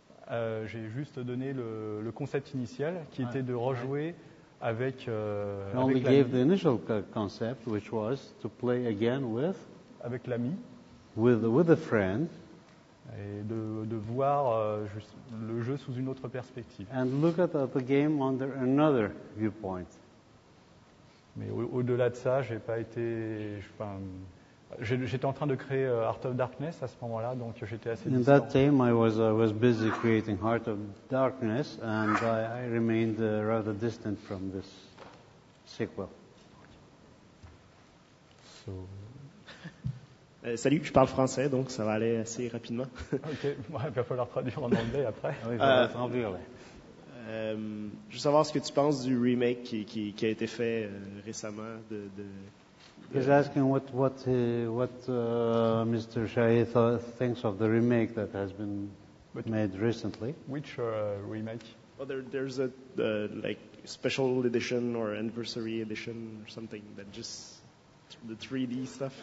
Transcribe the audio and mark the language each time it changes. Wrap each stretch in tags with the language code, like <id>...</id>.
<fr>J'ai juste donné le concept initial, qui était de rejouer. Avec,</fr> <en>I only</en> <fr>avec</fr> <en>gave the initial concept, which was to play again with,</en> <fr>avec l'ami,</fr> <en>with a friend,</en> <fr>et de voir le jeu sous une autre perspective,</fr> <en>and look at the game under another viewpoint.</en> <fr>Mais au-delà de ça, j'ai pas été, j'étais en train de créer Heart of Darkness à ce moment-là, donc j'étais assez.</fr> <en>In that time, I was busy creating Heart of Darkness, and I remained rather distant from this sequel. So.</en> <fr>Salut, je parle français, donc ça va aller assez rapidement. Ok, il va falloir traduire en anglais après. Oui, je vais traduire. Je veux savoir ce que tu penses du remake qui a été fait récemment de.</fr> <en>He's asking what Mr. Chahi thinks of the remake that has been made recently. Which remake? Well, there's a like special edition or anniversary edition or something that just the 3D stuff.</en>